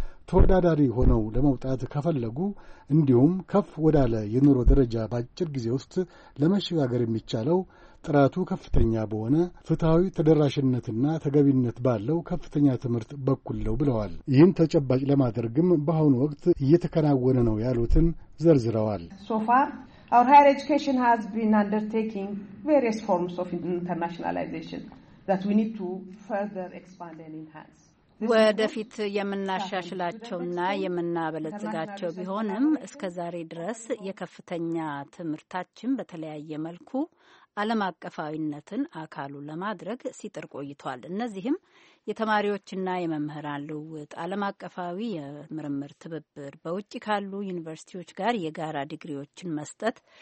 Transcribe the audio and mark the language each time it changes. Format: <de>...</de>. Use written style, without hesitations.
<am>ተወዳዳሪ ሆነው ለመውጣት ከፈለጉ እንዲሁም ከፍ ወዳለ የኑሮ ደረጃ በአጭር ጊዜ ውስጥ ለመሸጋገር የሚቻለው ጥራቱ ከፍተኛ በሆነ ፍትሐዊ ተደራሽነትና ተገቢነት ባለው ከፍተኛ ትምህርት በኩል ነው ብለዋል። ይህን ተጨባጭ ለማድረግም በአሁኑ ወቅት እየተከናወነ ነው ያሉትን ዘርዝረዋል።</am> <en>Our higher education has been undertaking various forms of internationalization that we need to further expand and enhance.</en> <am>ወደፊት የምናሻሽላቸውና የምናበለጽጋቸው ቢሆንም እስከዛሬ ድረስ የከፍተኛ ትምህርታችን በተለያየ መልኩ ዓለም አቀፋዊነትን አካሉ ለማድረግ ሲጥር ቆይቷል። እነዚህም የተማሪዎችና የመምህራን ልውውጥ፣ ዓለም አቀፋዊ የምርምር ትብብር፣ በውጭ ካሉ ዩኒቨርሲቲዎች ጋር የጋራ ዲግሪዎችን መስጠት፣</am>